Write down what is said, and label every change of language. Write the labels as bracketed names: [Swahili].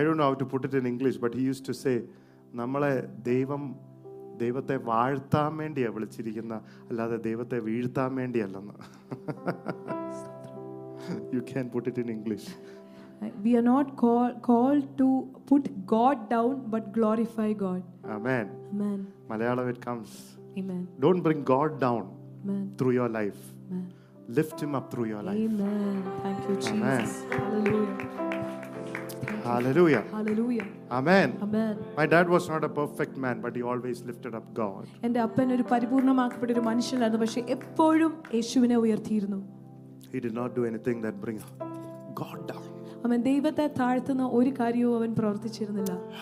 [English] I don't know how to put it in English, but he used to say [Malayalam] nammale devam ദൈവത്തെ വാഴ്ത്താൻ വേണ്ടിയാ വിളിച്ചിരിക്കുന്ന, അല്ലാതെ ദൈവത്തെ വീഴ്ത്താൻ വേണ്ടിയല്ലെന്ന്. [English] You can put it in English. We are not called to put God down but glorify God. Amen. Amen. Malayalam it comes. Amen. Don't bring God down. Amen. Through your life. Amen. Lift him up through your life. Amen. Thank you Jesus. Amen. Hallelujah. Amen. Amen. My dad was not a perfect man, but he always lifted up God. [Malayalam] എന്റെ അപ്പൻ ഒരു പരിപൂർണമാക്കപ്പെട്ട ഒരു മനുഷ്യനായിരുന്നു, പക്ഷേ എപ്പോഴും യേശുവിനെ ഉയർത്തിയിരുന്നു. [English] He did not do anything that bring God down. [Malayalam] അവൻ ദൈവത്തെ താഴ്ത്തുന്ന ഒരു കാര്യവും അവൻ പ്രവർത്തിച്ചിരുന്നില്ല.